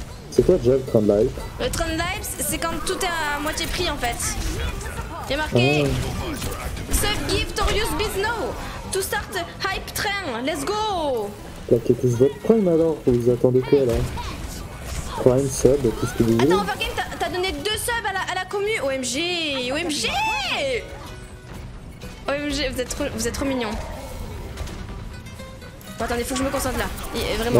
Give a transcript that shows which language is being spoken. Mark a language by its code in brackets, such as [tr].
[fr] C'est quoi déjà le train de live? Le train de live, c'est quand tout est à moitié prix en fait. Il y a marqué [en] Sub gift or use bizno. To start hype train, let's go. [fr] Plaquez tous votre prime alors, vous attendez quoi là? Prime sub, qu'est-ce que vous voulez? Attends, Overgame, t'as donné deux subs à la commu. OMG, OMG. OMG, vous êtes trop mignon. Bon, attendez, faut que je me concentre là. Et vraiment.